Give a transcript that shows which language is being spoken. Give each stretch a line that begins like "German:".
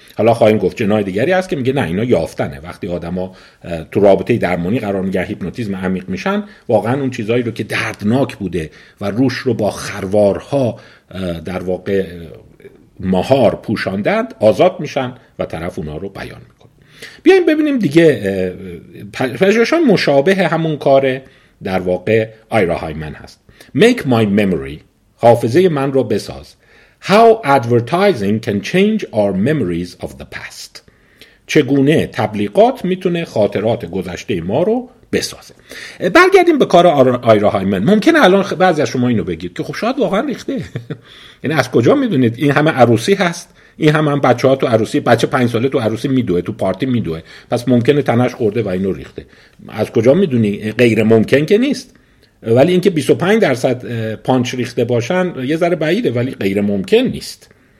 Persian: حالا خواهیم گفت جناح دیگری هست که میگه نه اینا یافتنه، وقتی آدما تو رابطه درمانی قرار میگیرن، هیپنوتیزم عمیق میشن، واقعا اون چیزایی رو که دردناک بوده و روش رو با خروارها در واقع مهار پوشاندند آزاد میشن و طرف اونا رو بیان میکنه. بیاییم ببینیم دیگه پژوهش‌ها مشابه همون کار در واقع آیرا هایمن هست.
English: Make my memory،
Persian: حافظه من رو بساز.
English: How advertising can change our memories of the past،
Persian: چگونه تبلیغات میتونه خاطرات گذشته ما رو بسازه. برگردیم به کار آیرا هایمن. ممکنه الان بعضی از شما اینو بگید که خب شاید واقعا ریخته، یعنی از کجا میدونید؟ این همه عروسی هست، این همه هم بچه ها تو عروسی، بچه 5 ساله تو عروسی میدوه، تو پارتی میدوه، پس ممکنه تنش خورده و اینو ریخته، از کجا میدونی؟ غیر ممکن که نیست، ولی اینکه 25% پانچ ریخته باشن یه ذره بعیده، ولی غیر ممکن نیست.